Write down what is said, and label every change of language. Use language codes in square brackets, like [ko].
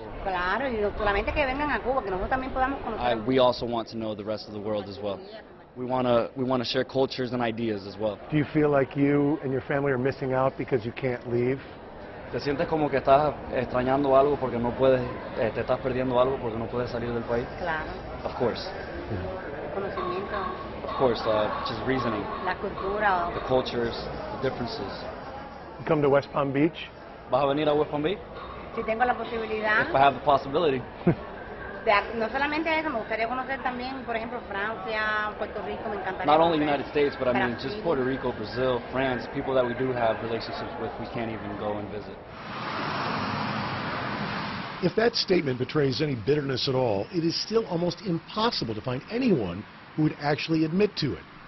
[es] Claro, y no solamente que vengan a Cuba, que nosotros también podamos conocer. [en] We also want to know the rest of the world as well. We want to share cultures and ideas as well. Do you feel like you and your family are missing out because you can't leave? [es] ¿Te sientes como que estás extrañando algo porque no puedes, te estás perdiendo algo porque no puedes salir del país? Claro. [en] Of course. [es] Conocimiento. [en] Of course, just reasoning. [es] La cultura. [en] The cultures, the differences. You come to West Palm Beach? [es] ¿Vas a venir a West Palm Beach? Si tengo la posibilidad. [en] If I have the possibility. [es] No solamente eso, me gustaría conocer también, por ejemplo, Francia, Puerto Rico, me encantaría. [en] Not only the United States, but I mean, just Puerto Rico, Brazil, France, people that we do have relationships with, we can't even go and visit. If that statement betrays any bitterness at all, it is still almost impossible to find anyone who would actually admit to it.